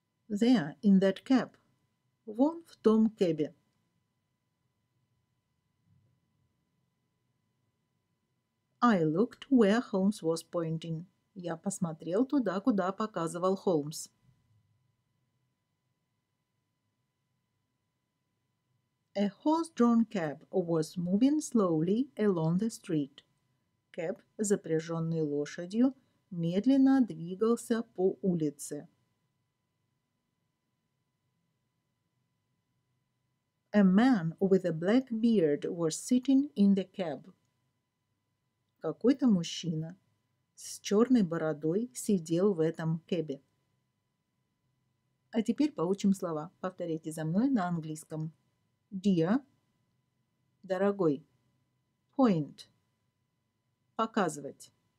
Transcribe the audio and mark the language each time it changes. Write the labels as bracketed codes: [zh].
[en] There, in that cab. [ru] Вон в том кэбе. [en] I looked where Holmes was pointing. [ru] Я посмотрел туда, куда показывал Холмс. [en] A horse-drawn cab was moving slowly along the street. [ru] Cab, запряженный лошадью, медленно двигался по улице. [en] A man with a black beard was sitting in the cab. [ru] Какой-то мужчина с черной бородой сидел в этом кэбе. А теперь поучим слова. Повторите за мной на английском. [en] Dear. Дорогой. Point. Показывать.